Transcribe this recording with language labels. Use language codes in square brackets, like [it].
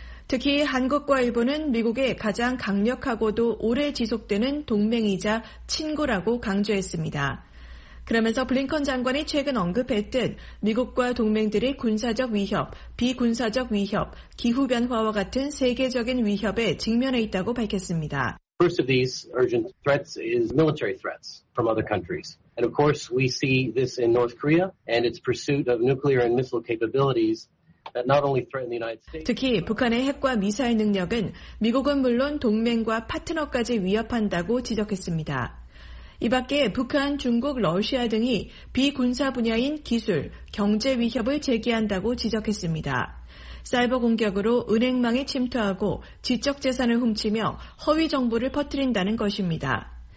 [ko] 특히 한국과 일본은 미국의 가장 강력하고도 오래 지속되는 동맹이자 친구라고 강조했습니다. 그러면서 블링컨 장관이 최근 언급했듯 미국과 동맹들이 군사적 위협, 비군사적 위협, 기후변화와 같은 세계적인 위협에 직면해 있다고 밝혔습니다. [en] First of these urgent threats is military threats from other countries. And of course, we see this in North Korea and its pursuit of nuclear and missile capabilities that not only threaten the United States. [ko] 특히 북한의 핵과 미사일 능력은 미국은 물론 동맹과 파트너까지 위협한다고 지적했습니다. 이 밖에 북한, 중국, 러시아 등이 비군사 분야인 기술, 경제 위협을 제기한다고 지적했습니다. 사이버 공격으로 은행망에 침투하고 지적재산을 훔치며 허위 정보를 퍼뜨린다는 것입니다.